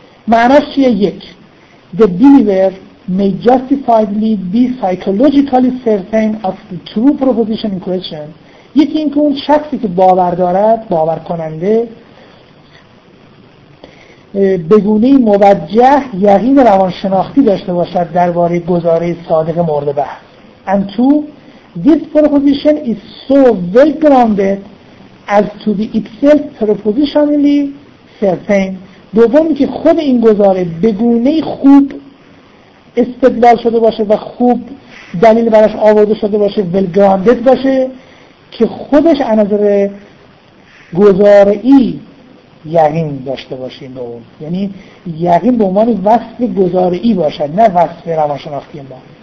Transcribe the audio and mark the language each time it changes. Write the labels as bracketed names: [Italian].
[Persian] معناش چیه؟ یک, [English] the believer may justifiably be psychologically certain of the true proposition in question. [Persian] یکی این که اون شخصی که باور دارد, باور کننده, به گونه موجه یقین روانشناختی داشته باشد درباره گزاره صادق مورد بحث. [English] And two, this proposition is so well grounded as to be itself propositionally certain. [Persian] دومی که خود این گزاره به گونه خوب استدلال شده باشه و خوب دلیل براش آورده شده باشه, [English] well grounded [Persian] باشه, که خودش از نظر گزاره‌ای یقین داشته باشیم به اون, یعنی یقین به عنوان وصف گزاره‌ای باشد نه وصف روانشناختی ما.